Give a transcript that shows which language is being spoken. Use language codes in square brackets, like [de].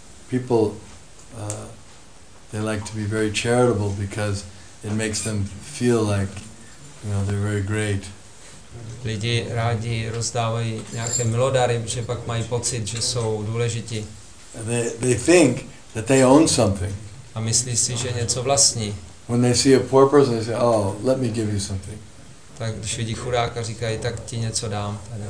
[en] People, they like to be very charitable because it makes them feel like, you know, they're very great. [cs] Lidi rádi rozdávají nějaké milodary, protože pak mají pocit, že jsou důležití. [en] They think that they own something. [cs] A myslí si, že něco vlastní. [en] When they see a poor person, they say, "Oh, let me give you something." [cs] Tak když vidí chudáka, říkají, tak ti něco dám.